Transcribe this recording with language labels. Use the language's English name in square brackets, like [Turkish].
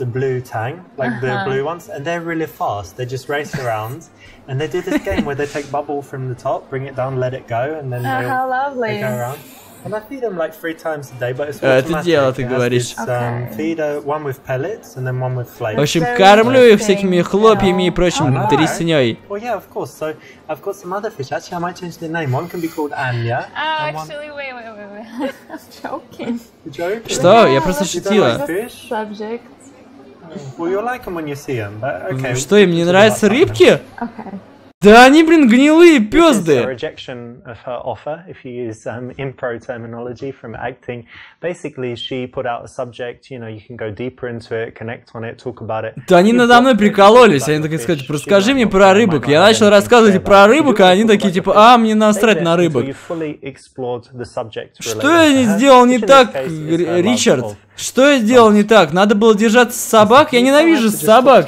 [English] The blue tang, like the blue ones, and they're really fast. They just race around. And they do this game where they take bubble from the top, bring it down, let it go, and then they go around. And I feed them like three times a day, but it's automatic. [Russian] Это дело, ты говоришь. [English] It's, feeder, one with pellets, and then one with flakes. [Russian] В общем, кормлю их всякими хлопьями и прочим трясеней. [English] Well, yeah, of course. So, I've got some other fish. Actually, I might change the name. One can be called Anya. Oh, actually, wait. I'm joking. Joking? [Russian] Что? Я просто шутила. [English] Subject. Well, you'll like them when you see them, but okay. [Russian] Что, им не нравятся рыбки? [English] Okay. [Russian] Да они, блин, гнилые пёзды! [English] This is a rejection of her offer, if you use improv terminology from acting. Basically, she put out a subject, you know, you can go deeper into it, connect on it, talk about it. [Russian] Да они надо мной прикололись, они такие сказали, типа, расскажи мне про рыбок. Я начал рассказывать про рыбок, а они такие, типа, а, мне насрать на рыбок. Что я не сделал не так, Ричард? Что я сделал не так? Надо было держаться собак? Я ненавижу собак.